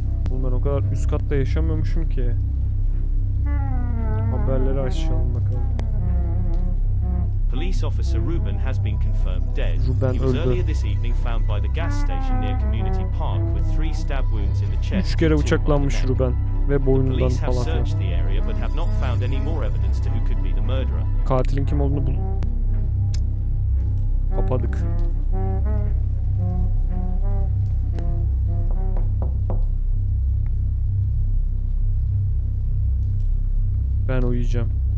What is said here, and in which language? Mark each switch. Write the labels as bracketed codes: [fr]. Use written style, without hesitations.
[tr] Oğlum ben o kadar üst katta yaşamıyormuşum ki. Haberleri açalım bakalım. [en] Police officer Ruben has been confirmed dead. Ruben he was [tr] öldü. [en] Earlier this evening found by the gas station near community park with three stab wounds in the chest. [tr] 3 kere bıçaklanmış Ruben ve boynundan falan. [en] Police searched the area but have not found any more evidence to who could be the murderer. [tr] Katilin kim olduğunu bul. Kapadık. Ben uyuyacağım.